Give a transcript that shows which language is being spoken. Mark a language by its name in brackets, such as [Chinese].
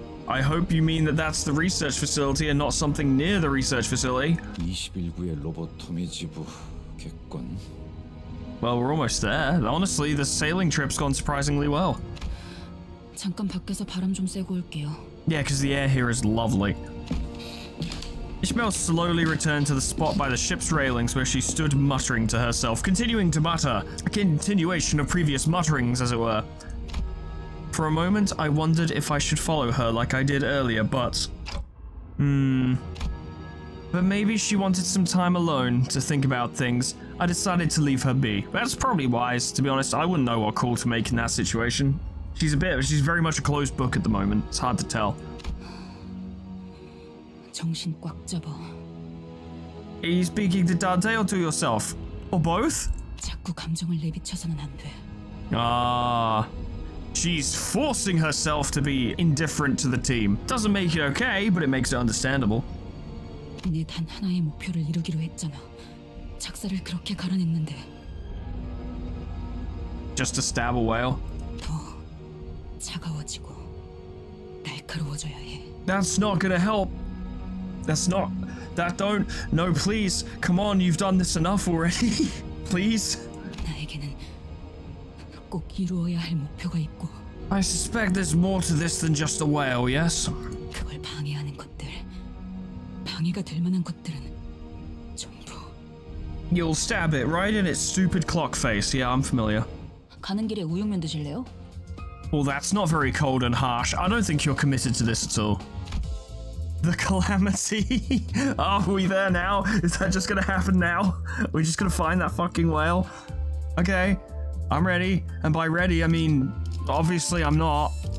[English] I hope you mean that that's the research facility and not something near the research facility. Well, we're almost there. Honestly, the sailing trip's gone surprisingly well. [Korean] 잠깐 밖에서 바람 좀 쐬고 올게요. [English] Yeah, because the air here is lovely. Ishmael slowly returned to the spot by the ship's railings where she stood muttering to herself, continuing to mutter, a continuation of previous mutterings, as it were. For a moment, I wondered if I should follow her like I did earlier, but... But maybe she wanted some time alone to think about things. I decided to leave her be. That's probably wise, to be honest. I wouldn't know what call to make in that situation. She's very much a closed book at the moment. It's hard to tell. [Korean] 정신 꽉 잡아. [English] Are you speaking to Dante or to yourself? Or both? [Korean] 자꾸 감정을 내비쳐서는 안 돼. Ah. [English] She's forcing herself to be indifferent to the team. Doesn't make it okay, but it makes it understandable. [Korean] 네 단 하나의 목표를 이루기로 했잖아. 작사를 그렇게 가려냈는데. [English] Just to stab a whale? [Korean] 더 차가워지고 날카로워져야 해. [English] That's not gonna help. That's not... That don't... No, please. Come on, you've done this enough already. Please. [Korean] 나에게는 꼭 이루어야 할 목표가 있고. [English] I suspect there's more to this than just a whale, yes? [Korean] 그걸 방해하는 것들, 방해가 될 만한 것들은 전부... [English] You'll stab it right in its stupid clock face. Yeah, I'm familiar. [Korean] 가는 길에 우육면 드실래요? [English] Well, that's not very cold and harsh. I don't think you're committed to this at all. The calamity? Are we there now? Is that just gonna happen now? Are we just gonna find that fucking whale? Okay, I'm ready. And by ready, I mean, obviously I'm not.